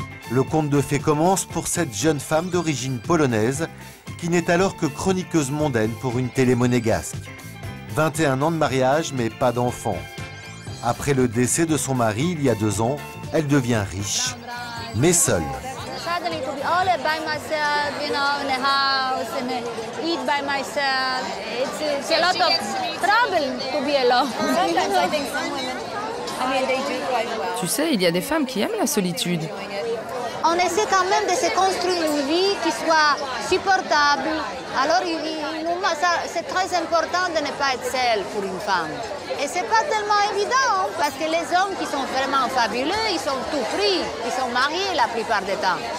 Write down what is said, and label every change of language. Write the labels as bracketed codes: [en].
[fr] Le conte de fées commence pour cette jeune femme d'origine polonaise qui n'est alors que chroniqueuse mondaine pour une télé monégasque. 21 ans de mariage, mais pas d'enfant. Après le décès de son mari il y a 2 ans, elle devient riche, mais seule. [en] All by myself, you know, in the house, and eat by myself. It's a lot of trouble to be alone. Sometimes I think some women, I mean, they do quite well. [fr] Tu sais, il y a des femmes qui aiment la solitude. On essaie quand même de se construire une vie qui soit supportable. Alors, c'est très important de ne pas être seule pour une femme. Et c'est pas tellement évident, parce que les hommes qui sont vraiment fabuleux, ils sont tout pris, ils sont mariés la plupart des temps.